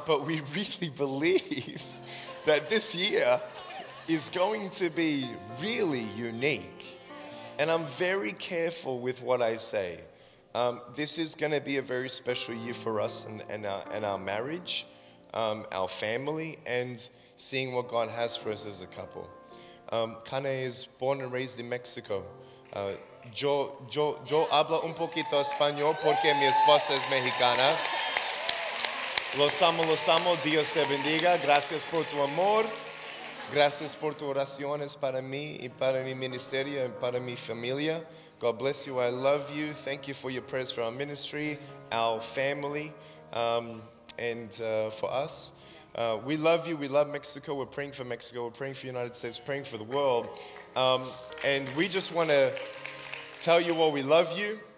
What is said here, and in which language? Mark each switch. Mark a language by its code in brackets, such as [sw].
[en] But we really believe that this year is going to be really unique. And I'm very careful with what I say. This is going to be a very special year for us and our marriage, our family, and seeing what God has for us as a couple. Kane is born and raised in Mexico. [es] Yo hablo un poquito español porque mi esposa es mexicana. Los amo, Dios te bendiga. Gracias por tu amor. Gracias por tus oraciones para mí y para mi ministerio y para mi familia. [en] God bless you. I love you. Thank you for your prayers for our ministry, our family, and for us. We love you. We love Mexico. We're praying for Mexico. We're praying for the United States. Praying for the world. And we just want to tell you all we love you.